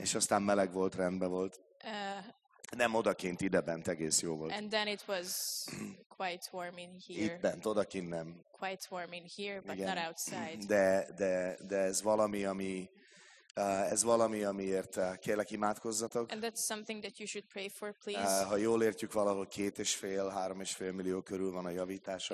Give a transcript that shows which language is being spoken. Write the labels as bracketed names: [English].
[Hungarian] És aztán meleg volt, rendben volt. Nem odakint, idebent egész jó volt. [English] And then it was quite warm in here. [Hungarian] Itt bent, odakint nem. [English] Quite warm in here, but [Hungarian] igen, [English] not outside. [Hungarian] De ez valami, ami ez valami, amiért kérlek, imádkozzatok. [English] And that's something that you should pray for, please. [Hungarian] Ha jól értjük, valahol 2.5-3.5 millió körül van a javítása.